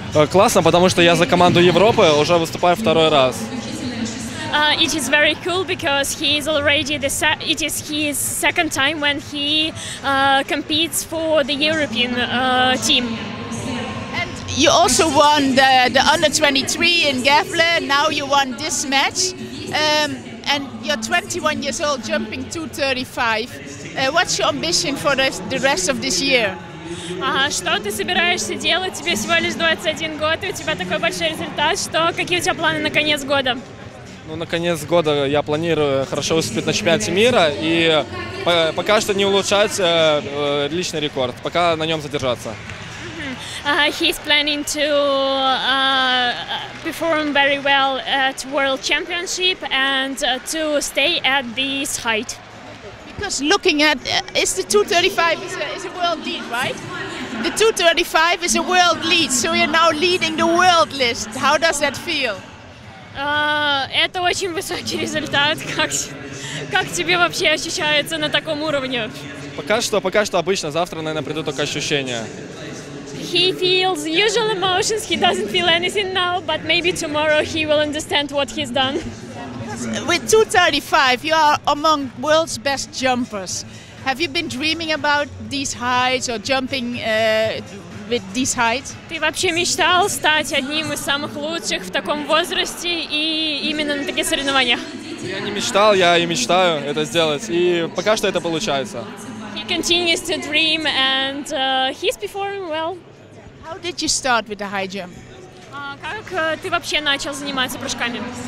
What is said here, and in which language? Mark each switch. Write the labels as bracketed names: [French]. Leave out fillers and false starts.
[Russian] Классно, потому что я за команду Европы уже выступаю второй раз. [English] It is very cool because he is already the it is his second time when he competes for the European team. And you also won the under 23 in Gävle. Now you won this match, and you're 21 years old, jumping 235. What's your ambition for the rest of this year? [Russian] Что ты собираешься делать? Тебе всего лишь 21 год, и у тебя такой большой результат. Какие у тебя планы на конец года? На конец года я планирую хорошо выступить на чемпионате мира и пока что не улучшать личный рекорд, пока на нем задержаться. [English] He's planning to perform very well at World Championship and to stay at this height. Because looking at, it's the 235 is a world lead, right? The 235 is a world lead, so you're now leading the world list. How does that feel? [Russian] Это очень высокий результат. Как тебе вообще ощущается на таком уровне? Пока что обычно. Завтра, наверное, придут только ощущения. [English] He feels usual emotions. He doesn't feel anything now, but maybe tomorrow he will understand what he's done. With 235, you are among world's best jumpers. Have you been dreaming about these heights or jumping with these heights? [Russian] Ты вообще мечтал стать одним из самых лучших в таком возрасте и именно на таких соревнованиях? Я не мечтал, я и мечтаю это сделать, и пока что это получается. [English] He continues to dream and he's performing well. How did you start with the high jump? [Russian] Как ты вообще начал заниматься прыжками?